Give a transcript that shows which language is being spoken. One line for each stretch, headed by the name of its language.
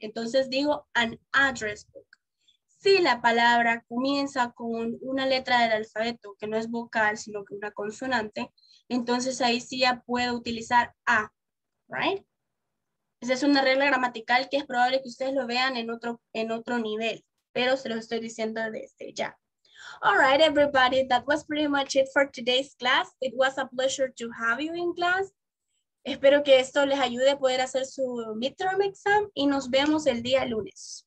Spanish: Entonces digo
English: an address book.
Spanish: Si la palabra comienza con una letra del alfabeto, que no es vocal, sino que una consonante, entonces ahí sí ya puedo utilizar a, right? Esa es una regla gramatical que es probable que ustedes lo vean en otro nivel, pero se lo estoy diciendo desde ya.
English: All right, everybody, that was pretty much it for today's class. It was a pleasure to have you in class.
Spanish: Espero que esto les ayude a poder hacer su midterm exam y nos vemos el día lunes.